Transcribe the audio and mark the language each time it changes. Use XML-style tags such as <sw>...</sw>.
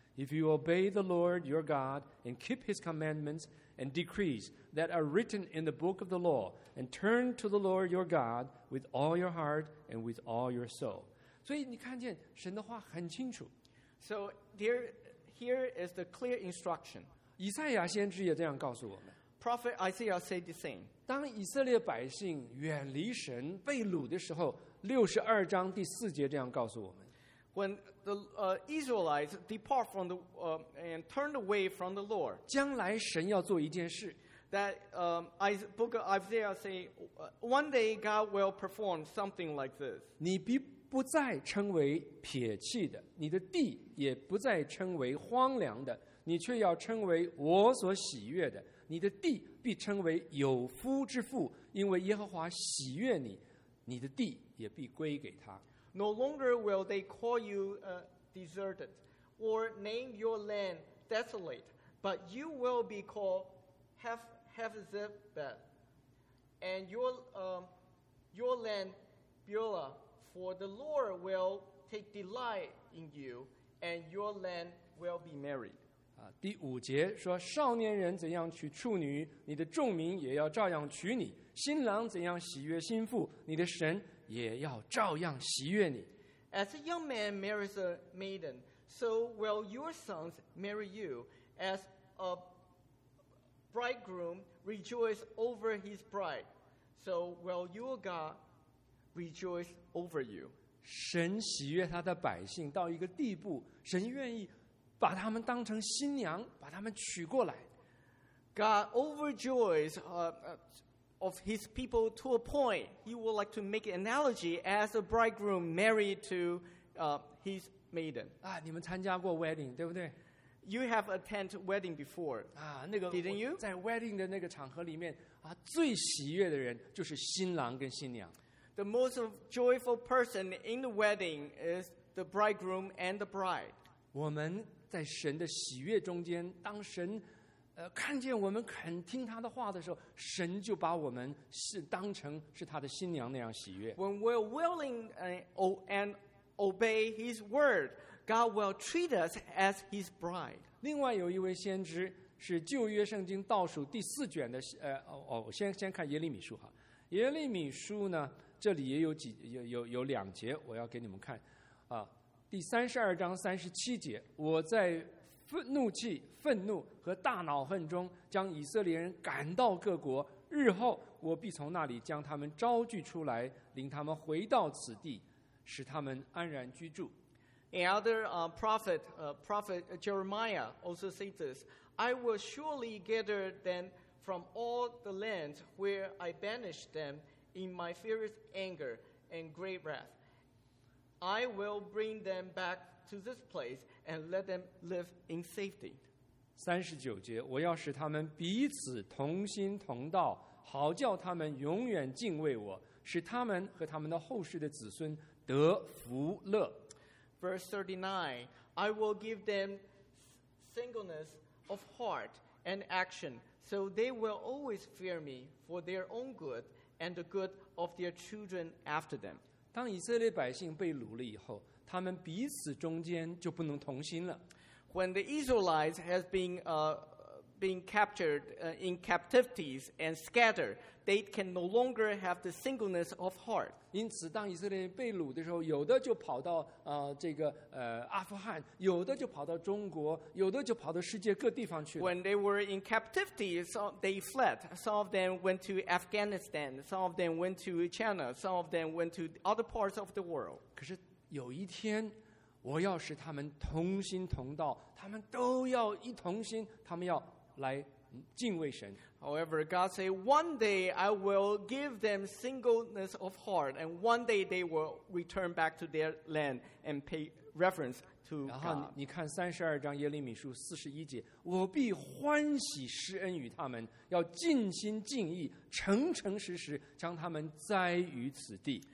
<en>If you obey the Lord your God and keep his commandments and decrees that are written in the book of the law and turn to the Lord your God with all your heart and with all your soul.</en> <zh>所以你看见神的话很清楚。</zh> <en>So here is the clear instruction.</en> <zh>以赛亚先知也这样告诉我们。</zh> <en>Prophet Isaiah said the same.</en> <zh>当以色列百姓远离神被掳的时候，62章第4节这样告诉我们。</zh> <en>When the Israelites depart from the and turn away from the Lord,</en> <zh>将来神要做一件事</zh> <en>that book of Isaiah say one day God will perform something like this.</en> <zh>你不再称为撇弃的，你的地也不再称为荒凉的，你却要称为我所喜悦的。你的地必称为有夫之妇，因为耶和华喜悦你，你的地也必归给他。</zh> <en>No longer will they call you deserted or name your land desolate, but you will be called Hephzibah and your land Beulah, for the Lord will take delight in you and your land will be married.</en> <zh>第五节说少年人怎样娶处女，你的众民也要照样娶你，新郎怎样喜悦新妇，你的神也要照样喜悦你。</zh> <en>As a young man marries a maiden, so will your sons marry you. As a bridegroom rejoices over his bride, so will your God rejoice over you.</en> <zh>神喜悦他的百姓到一个地步，神愿意把他们当成新娘，把他们娶过来。</zh> <en>God overjoys of his people to a point, he would like to make an analogy as a bridegroom married to his maiden.</en> <zh>啊，你们参加过 wedding, 对不对？</zh> <en>You have attended wedding before.</en> <zh>啊，那个</zh> <en>didn't you?</en> <zh>在 wedding 的那个场合里面，啊，最喜悦的人就是新郎跟新娘。</zh> <en>The most joyful person in the wedding is the bridegroom and the bride.</en> <zh>我们在神的喜悦中间，当神看见我们肯听他的话的时候，神就把我们是当成是他的新娘那样喜悦。</zh> <en>When we're willing and obey His word, God will treat us as His bride.</en> <zh>另外有一位先知是旧约圣经倒数第四卷的，先看耶利米书哈。耶利米书呢，这里也有几有两节，我要给你们看啊。第32章37节，我在怒气、愤怒和大恼恨中将以色列人赶到各国，日后我必从那里将他们招聚出来，领他们回到此地，使他们安然居住。</zh> <en>Another prophet Jeremiah also says this, I will surely gather them from all the lands where I banished them in my fierce anger and great wrath. I will bring them back to this place and let them live in safety.</en> <zh>39节，我要使他们彼此同心同道，好叫他们永远敬畏我，使他们和他们的后世的子孙得福乐。</zh> <en>Verse 39, I will give them singleness of heart and action, so they will always fear me for their own good and the good of their children after them.</en> <zh>当以色列百姓被掳了以后，他们彼此中间就不能同心了。</zh> <en>When the Israelites has been captured in captivities and scattered, they can no longer have the singleness of heart.</en> <zh>因此，当以色列被掳的时候，有的就跑到阿富汗，有的就跑到中国，有的就跑到世界各地方去。</zh> <en>When they were in captivity, they fled. Some of them went to Afghanistan. Some of them went to China. Some of them went to other parts of the world.</en> <zh>可是有一天。我要使他们同心同道，他们都要一同心，他们要来敬畏神。</zh> <en>However, God said, "One day I will give them singleness of heart, and one day they will return back to their land and pay reverence to God."</en> <zh>然后你看32章耶利米书41节，我必欢喜施恩于他们，要尽心尽意、诚诚实实将他们栽于此地。</zh>